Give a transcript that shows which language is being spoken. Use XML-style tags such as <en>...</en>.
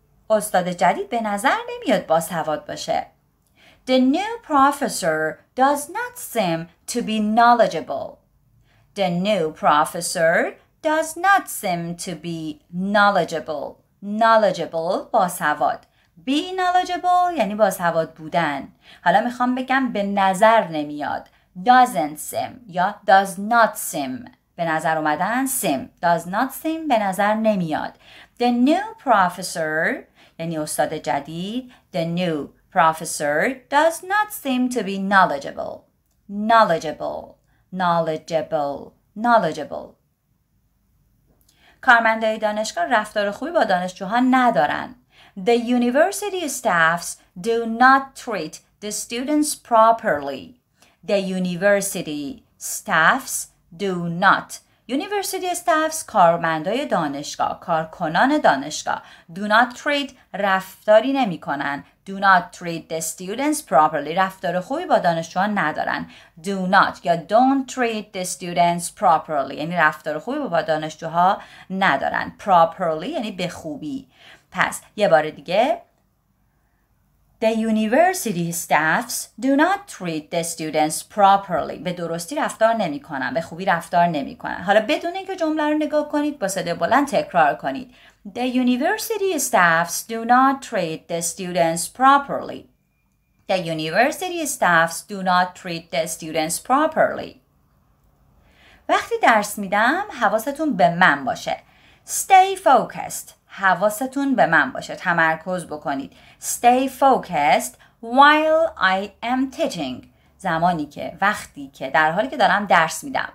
<fa>استاد جدید به نظر نمیاد با سواد باشه.</fa> <en>The new professor does not seem to be knowledgeable. The new professor does not seem to be knowledgeable. Knowledgeable</en> <fa>با سواد.</fa> <en>Be knowledgeable</en> <fa>یعنی با سواد بودن. حالا میخوام بگم به نظر نمیاد.</fa> <en>Doesn't seem</en> <fa>یا</fa> <en>does not seem</en> <fa>به نظر اومدن</fa> <en>seem does not seem</en> <fa>به نظر نمیاد.</fa> <en>The new professor</en> <fa>یعنی استاد جدید.</fa> <en>The new professor does not seem to be knowledgeable. Knowledgeable. Knowledgeable. Knowledgeable.</en> <fa>کارمندای دانشگاه رفتار خوبی با دانشجوها ندارن.</fa> <en>The university staffs do not treat the students properly. The university staffs do not. University staffs</en> <fa>کارمندای دانشگاه، کارکنان دانشگاه</fa> <en>do not treat</en> <fa>رفتاری نمی کنن.</fa> <en>Do not treat the students properly.</en> <fa>رفتار خوبی با دانشجوان ندارن.</fa> <en>Do not</en> <fa>یا</fa> <en>don't treat the students properly.</en> <fa>یعنی رفتار خوبی با دانشجوها ندارن. Properly یعنی به خوبی. پس یه بار دیگه.</fa> <en>The university staffs do not treat the students properly.</en> <fa>به درستی رفتار نمی کنن. به خوبی رفتار نمی کنن. حالا بدون اینکه جمله رو نگاه کنید با صدای بلند تکرار کنید.</fa> <en>The university staffs do not treat the students properly. The university staffs do not treat the students properly.</en> <fa>وقتی درس میدم حواستون به من باشه.</fa> <en>Stay focused.</en> <fa>حواستون به من باشه. تمرکز بکنید. Stay focused.</fa> <en>While I am teaching.</en> <fa>زمانی که، وقتی که، در حالی که دارم درس میدم.</fa>